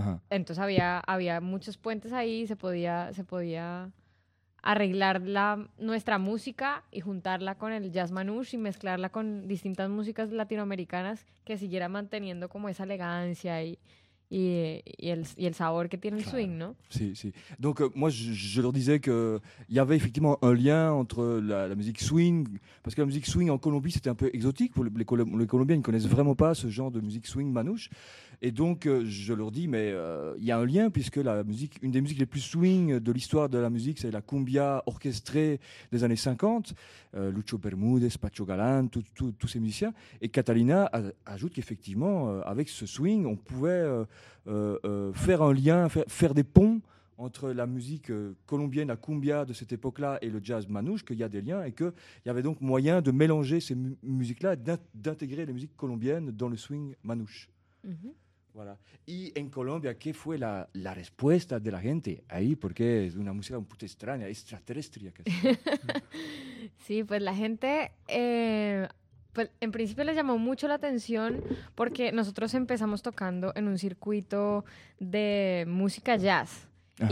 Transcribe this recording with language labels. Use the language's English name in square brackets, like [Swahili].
[Spanish] Entonces había muchos puentes ahí, se podía arreglar nuestra música y juntarla con el jazz manouche y mezclarla con distintas músicas latinoamericanas que siguiera manteniendo como esa elegancia y el sabor que tiene el swing, Claro. ¿no? Si. [French] Donc, moi, je leur disais qu'il y avait effectivement un lien entre la musique swing, parce que la musique swing en Colombie, c'était un peu exotique. Les Colombiens ne connaissent vraiment pas ce genre de musique swing manouche. Et donc, je leur dis, mais il y a un lien, puisque une des musiques les plus swing de l'histoire de la musique, c'est la cumbia orchestrée des années 50. Lucho Bermúdez, Pacho Galán, tous ces musiciens. Et Catalina ajoute qu'effectivement, avec ce swing, on pouvait faire un lien, faire des ponts entre la musique colombienne, la cumbia de cette époque-là et le jazz manouche, qu'il y a des liens et qu'il y avait donc moyen de mélanger ces musiques-là, d'intégrer les musiques colombiennes dans le swing manouche. Voilà. [Spanish] Y en Colombia, ¿qué fue la, la respuesta de la gente ahí? Porque es una música un poco extraña, extraterrestre. Casi. Sí, pues la gente, pues en principio les llamó mucho la atención porque nosotros empezamos tocando en un circuito de música jazz. Ajá.